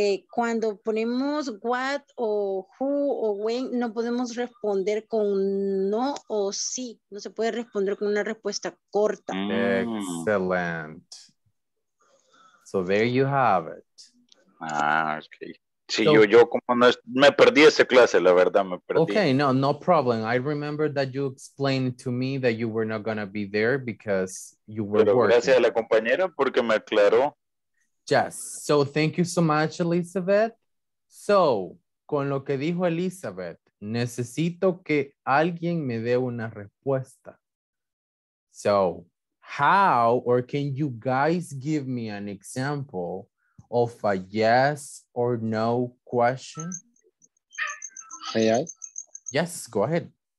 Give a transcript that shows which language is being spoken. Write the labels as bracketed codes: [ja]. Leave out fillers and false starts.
[es] Cuando ponemos what o who o when, no podemos responder con no o sí. No se puede responder con una respuesta corta. [en] Excellent. So there you have it. Ah, okay. [es] Sí, so, yo como no, me perdí esa clase, la verdad, me perdí. [en] Okay, no, no problem. I remember that you explained to me that you were not going to be there because you were [es] pero [en] working. [es] Gracias a la compañera porque me aclaró. [en] Yes, so thank you so much, Elizabeth. [es] So, con lo que dijo Elizabeth, necesito que alguien me dé una respuesta. [en] So, how or can you guys give me an example of a yes or no question? May I? Yes, go ahead.